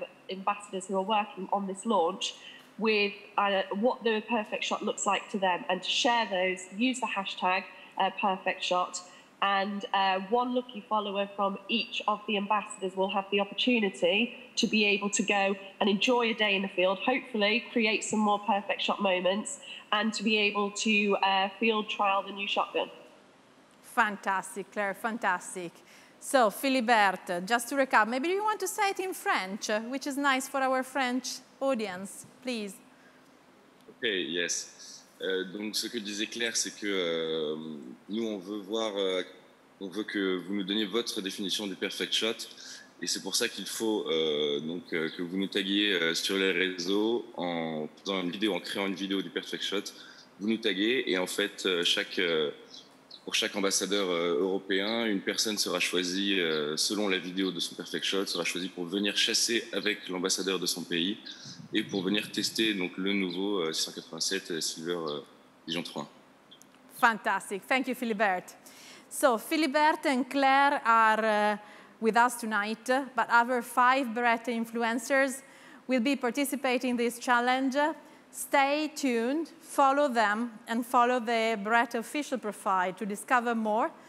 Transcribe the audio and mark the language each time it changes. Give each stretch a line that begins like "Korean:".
English: ambassadors who are working on this launch, with what the perfect shot looks like to them, and to share those, use the hashtag perfect shot, and one lucky follower from each of the ambassadors will have the opportunity to be able to go and enjoy a day in the field, hopefully create some more perfect shot moments, and to be able to field trial the new shotgun. Fantastic, Claire, fantastic. So, Philibert, just to recap, maybe you want to say it in French, which is nice for our French audience. Please. Okay, yes.
French: Donc, ce que disait Claire, c'est que nous, on veut voir, on veut que vous nous donniez votre définition du perfect shot. Et c'est pour ça qu'il faut que vous nous taguiez sur les réseaux en faisant une vidéo, en créant une vidéo du perfect shot. Vous nous taguez et en fait, pour chaque ambassadeur européen, une personne sera choisie selon la vidéo de son perfect shot, sera choisie pour venir chasser avec l'ambassadeur de son pays et pour venir tester donc le nouveau 687 Silver Pigeon III.
English: Fantastic. Thank you, Philibert. So, Philibert and Claire are with us tonight, but our 5 Beretta influencers will be participating in this challenge. Stay tuned, follow them, and follow the Beretta official profile to discover more.